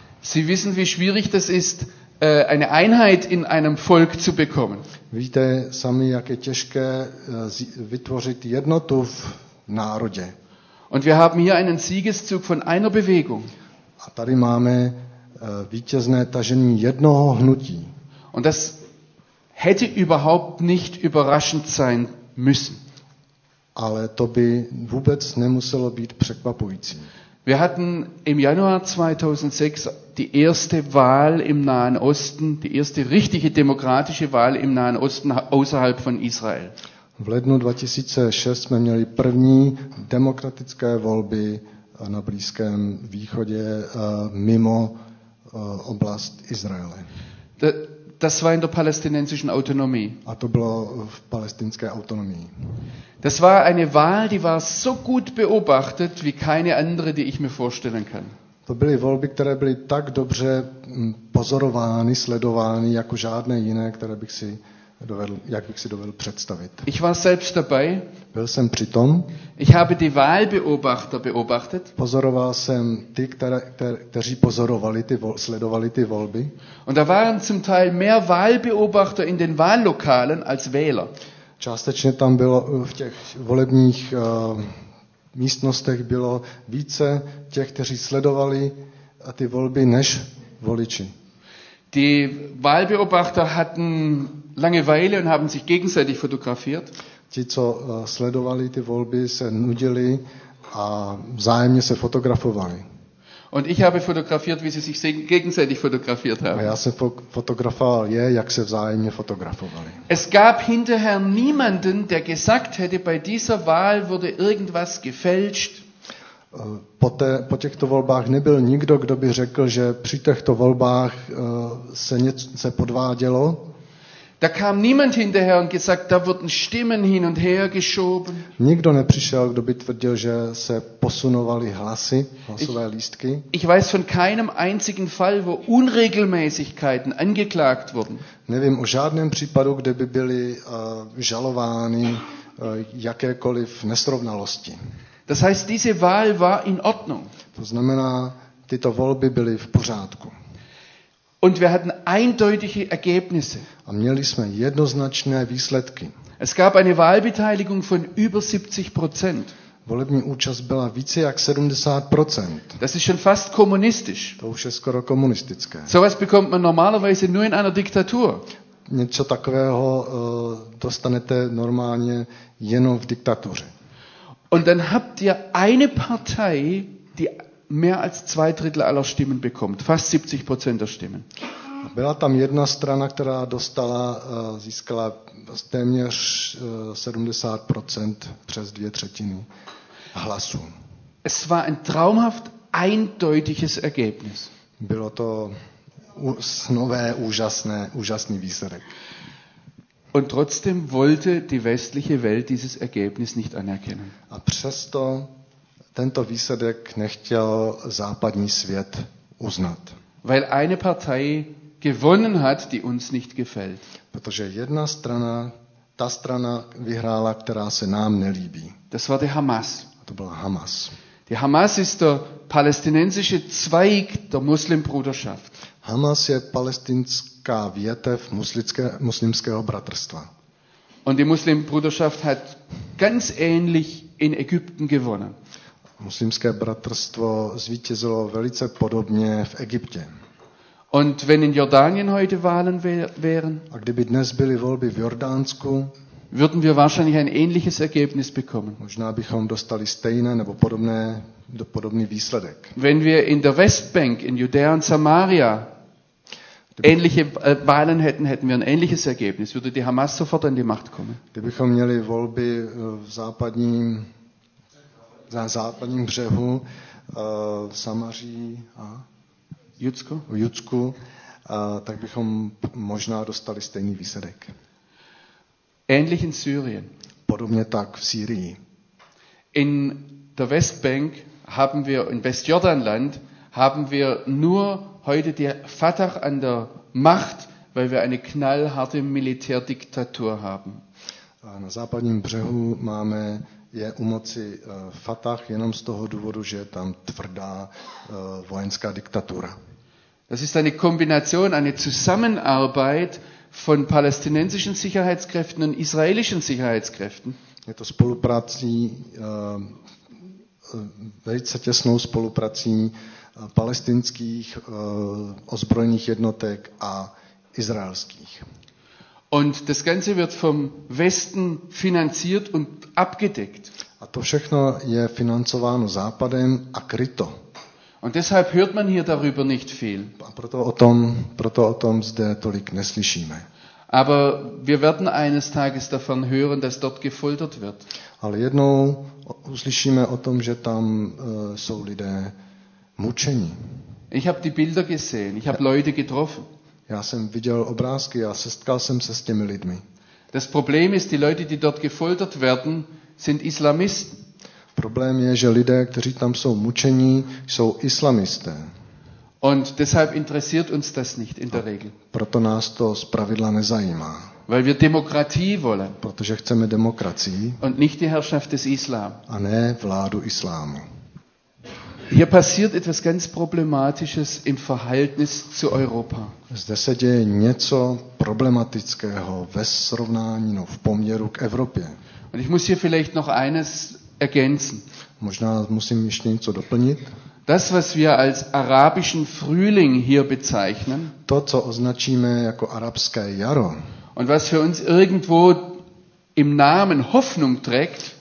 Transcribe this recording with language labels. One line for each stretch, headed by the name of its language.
German: Sie wissen, wie schwierig das ist, eine Einheit in einem Volk zu bekommen.
Czech: Víte sami, jak je těžké vytvořit jednotu v národě.
German: Und wir haben hier einen Siegeszug von einer Bewegung.
Czech: A tady máme vítězné tažení jednoho hnutí.
German: Und das hätte überhaupt nicht überraschend sein müssen.
Czech: Ale to by vůbec nemuselo být překvapující.
German: Wir hatten im Januar 2006 die erste Wahl im Nahen Osten, die erste richtige demokratische Wahl im Nahen Osten außerhalb von Israel.
Czech: V lednu 2006 jsme měli první demokratické volby na Blízkém východě mimo oblast Izraele.
German: Das war in der palästinensischen Autonomie.
Czech: A to bylo v palestinské autonomii.
German: Das war eine Wahl, die war so gut beobachtet wie keine andere, die ich mir vorstellen kann.
Czech: To byly volby, které byly tak dobře pozorovány, sledovány jako žádné jiné, které bych si dovedl, jak bych si dovedl představit.
German: Ich war selbst dabei.
Czech: Byl jsem přitom.
German: Ich habe die Wahlbeobachter beobachtet.
Czech: Pozoroval jsem ty, kteří pozorovali ty, sledovali ty volby.
German: Und da waren zum Teil mehr Wahlbeobachter in den Wahllokalen als Wähler.
Czech: Částečně tam bylo v těch volebních místnostech bylo více těch, kteří sledovali ty volby, než voliči.
German: Die Wahlbeobachter hatten Langeweile und haben sich gegenseitig fotografiert.
Czech: Ti, co sledovali ty volby, se nudili a vzájemně se fotografovali.
German: Und ich habe fotografiert, wie sie sich gegenseitig fotografiert haben.
Czech: A já jsem fotografoval je, jak se vzájemně fotografovali.
German: Es gab hinterher niemanden, der gesagt hätte, bei dieser Wahl wurde irgendwas gefälscht.
Czech: Po těchto volbách nebyl nikdo, kdo by řekl, že při těchto volbách se podvádělo.
German: Da kam niemand hinterher und gesagt, da wurden Stimmen hin und her geschoben.
Czech: Nikdo nepřišel, kdo by tvrdil, že se posunovaly hlasy, hlasové lístky.
German: Ich weiß von keinem einzigen Fall, wo Unregelmäßigkeiten angeklagt wurden.
Czech: Nevím o žádném případu, kde by byly žalovány jakékoliv nesrovnalosti.
German: Das heißt, diese Wahl war in Ordnung.
Czech: To znamená, tyto volby byly v pořádku.
German: Und wir hatten eindeutige Ergebnisse.
Czech: A měli jsme jednoznačné výsledky.
German: Es gab eine Wahlbeteiligung von über 70%.
Czech: Volební účast byla více jak 70%.
German: Das ist schon fast kommunistisch.
Czech: To už je skoro komunistické.
German: So was bekommt man normalerweise nur in einer Diktatur.
Czech: Něco takového dostanete normálně jenom v diktatuře.
German: Und dann habt ihr eine Partei, die mehr als 2/3 aller Stimmen bekommt, fast 70% der Stimmen.
Czech: Byla tam jedna strana, která dostala, získala téměř 70% přes 2/3 hlasů.
German: Es war ein traumhaft eindeutiges Ergebnis.
Czech: Bylo to nové, úžasné, úžasný výsledek.
German: Und trotzdem wollte die westliche Welt dieses Ergebnis nicht anerkennen.
Czech: A přesto tento výsledek nechtěl západní svět uznat.
German: Weil eine Partei gewonnen hat, die uns nicht gefällt.
Czech: Protože jedna strana, ta strana vyhrála, která se nám nelíbí.
German: Das war der Hamas.
Czech: To byla Hamas.
German: Die Hamas ist der palästinensische Zweig der Muslimbruderschaft.
Czech: Hamas je palestinská větev muslimského bratrstva.
German: Und die Muslimbruderschaft hat ganz ähnlich in Ägypten gewonnen.
Czech: Muslimské bratrstvo zvítězilo velice podobně v Egyptě.
German: Und wenn in Jordanien heute Wahlen wären,
Czech: a kdyby dnes byly volby v Jordánsku,
German: würden wir wahrscheinlich ein ähnliches Ergebnis bekommen.
Czech: Možná bychom dostali stejné nebo podobné, podobný výsledek.
German: Wenn wir in der Westbank, in Judea und Samaria, ähnliche Wahlen hätten, hätten wir ein ähnliches Ergebnis. Würde die Hamas sofort an die Macht kommen.
Czech: Kdybychom měli volby v západním, na západním břehu, v Samaří a v Judsku, tak bychom možná dostali stejný výsledek.
German: Ähnlich in Syrien.
Czech: Podobně tak v Syrii.
German: In der Westbank haben wir, in Westjordanland haben wir nur heute die Fatah an der Macht, weil wir eine knallharte Militärdiktatur haben.
Czech: A na západním břehu máme, je u moci Fatah jenom z toho důvodu, že je tam tvrdá vojenská diktatura.
German: Das ist eine Kombination, eine Zusammenarbeit von palästinensischen Sicherheitskräften und israelischen Sicherheitskräften.
Czech: Je to spoluprací, velice těsnou spoluprací palestinských ozbrojených jednotek a izraelských.
German: Und das Ganze wird vom Westen finanziert und abgedeckt.
Czech: A to všechno je financováno Západem a kryto.
German: Und deshalb hört man hier darüber nicht viel.
Czech: Proto o tom zde tolik neslyšíme.
German: Aber wir werden eines Tages davon hören, dass dort gefoltert wird.
Czech: Ale jednou uslyšíme o tom, že tam jsou lidé mučení.
German: Ich habe die Bilder gesehen, ich habe Leute getroffen.
Czech: Já jsem viděl obrázky, já setkal jsem se s těmi lidmi.
German: Das Problem ist, die Leute, die dort gefoltert werden, sind Islamisten.
Czech: Problém je, že lidé, kteří tam jsou mučení, jsou islamisté.
German: Und deshalb interessiert uns das nicht in der Regel.
Czech: Proto nás to zpravidla nezajímá.
German: Weil wir Demokratie wollen.
Czech: Protože chceme demokracii.
German: Und nicht die Herrschaft des Islam.
Czech: A ne vládu islámu.
German: Hier passiert etwas ganz Problematisches im Verhältnis zu Europa.
Czech: Zde se děje něco problematického ve srovnání, no, v poměru k Evropě.
German: Und ich muss hier vielleicht noch eines ergänzen.
Czech: Možná musím ještě něco doplnit.
German: Das, was wir als arabischen Frühling hier bezeichnen,
Czech: to, co označíme jako arabské jaro,
German: und was für uns irgendwo im Namen Hoffnung trägt,